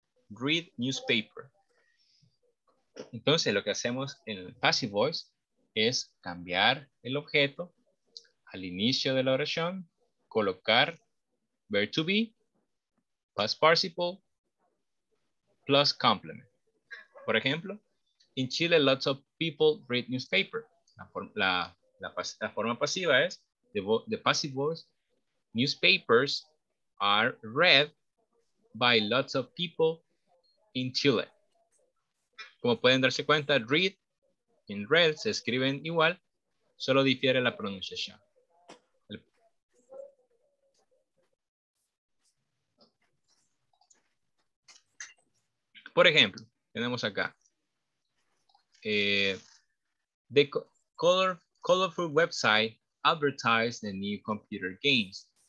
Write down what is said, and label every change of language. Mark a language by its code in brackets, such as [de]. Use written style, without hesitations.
[en] Read newspaper. [es] Entonces, lo que hacemos en el passive voice es cambiar el objeto al inicio de la oración, colocar [en] verb to be, past participle plus complement. [es] Por ejemplo, [en] in Chile, lots of people read newspaper. [es] La forma pasiva es, [en] the passive voice, newspapers are read by lots of people in Chile. [es] Como pueden darse cuenta, read y read se escriben igual, solo difiere la pronunciación. Por ejemplo, tenemos acá [en] the colorful website advertised the new computer games.